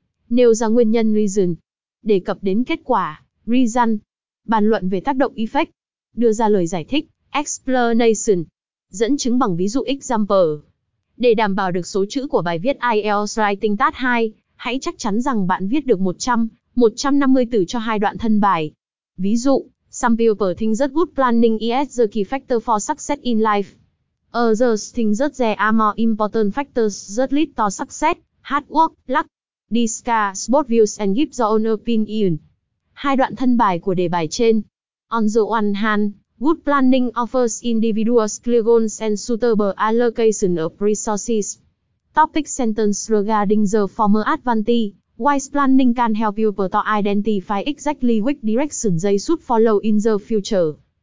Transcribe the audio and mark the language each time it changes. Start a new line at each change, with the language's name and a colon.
Vietnamese: Nêu ra nguyên nhân reason. Đề cập đến kết quả, reason. Bàn luận về tác động effect. Đưa ra lời giải thích, explanation. Dẫn chứng bằng ví dụ example. Để đảm bảo được số chữ của bài viết IELTS Writing Task 2, hãy chắc chắn rằng bạn viết được 100-150 từ cho hai đoạn thân bài. Ví dụ,
English: some people think that good planning is the key factor for success in life. Others think that there are more important factors that lead to success, hard work, luck. Discuss both views and give your own opinion.
Vietnamese: Hai đoạn thân bài của đề bài trên.
English: On the one hand, good planning offers individuals clear goals and suitable allocation of resources. Topic sentence regarding the former advantage. Wise planning can help people to identify exactly which direction they should follow in the future.